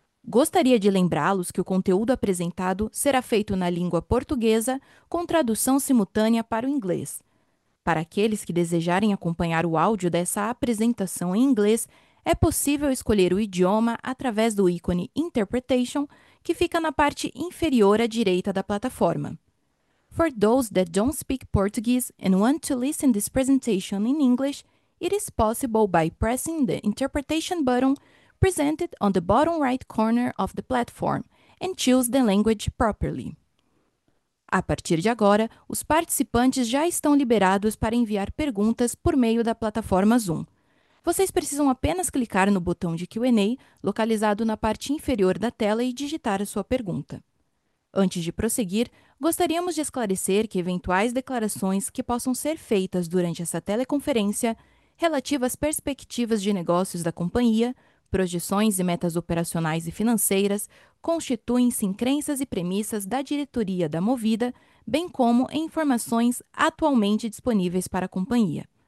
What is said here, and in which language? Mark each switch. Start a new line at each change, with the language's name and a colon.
Portuguese: Gostaria de lembrá-los que o conteúdo apresentado será feito na língua portuguesa com tradução simultânea para o inglês. Para aqueles que desejarem acompanhar o áudio dessa apresentação em inglês, é possível escolher o idioma através do ícone Interpretation, que fica na parte inferior à direita da plataforma.
English: For those that don't speak Portuguese and want to listen this presentation in English, it is possible by pressing the interpretation button presented on the bottom right corner of the platform and choose the language properly.
Portuguese: A partir de agora, os participantes já estão liberados para enviar perguntas por meio da plataforma Zoom. Vocês precisam apenas clicar no botão de Q&A localizado na parte inferior da tela e digitar a sua pergunta. Antes de prosseguir, gostaríamos de esclarecer que eventuais declarações que possam ser feitas durante essa teleconferência, relativas às perspectivas de negócios da companhia, projeções e metas operacionais e financeiras, constituem-se em crenças e premissas da diretoria da Movida, bem como em informações atualmente disponíveis para a companhia.